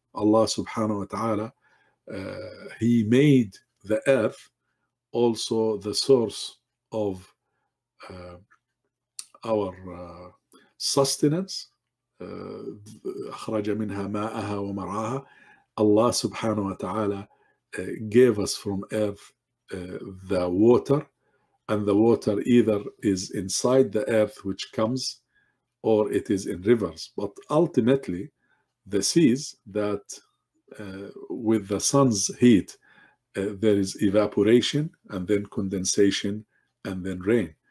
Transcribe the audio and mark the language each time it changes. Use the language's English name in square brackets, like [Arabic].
[English] Allah subhanahu wa ta'ala, he made the earth also the source of our sustenance. [Arabic] أخرج منها ماءها ومرعاها. [English] Allah subhanahu wa ta'ala gave us from earth the water, and the water either is inside the earth which comes, or it is in rivers. But ultimately, the seas that with the sun's heat, there is evaporation and then condensation and then rain.